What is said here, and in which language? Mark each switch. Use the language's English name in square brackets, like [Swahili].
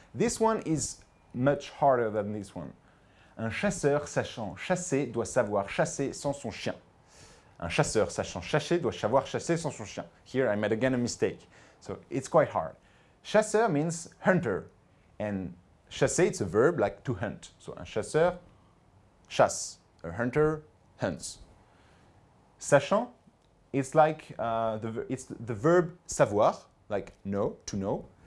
[English] This one is much harder than this one. [French] Un chasseur sachant chasser doit savoir chasser sans son chien. Un chasseur sachant chasser doit savoir chasser sans son chien. [English] Here I made again a mistake. So it's quite hard. Chasseur means hunter. And chasser, it's a verb like to hunt. So [French] un chasseur chasse. [English] A hunter hunts. Sachant, it's like the verb savoir. Like know, to know.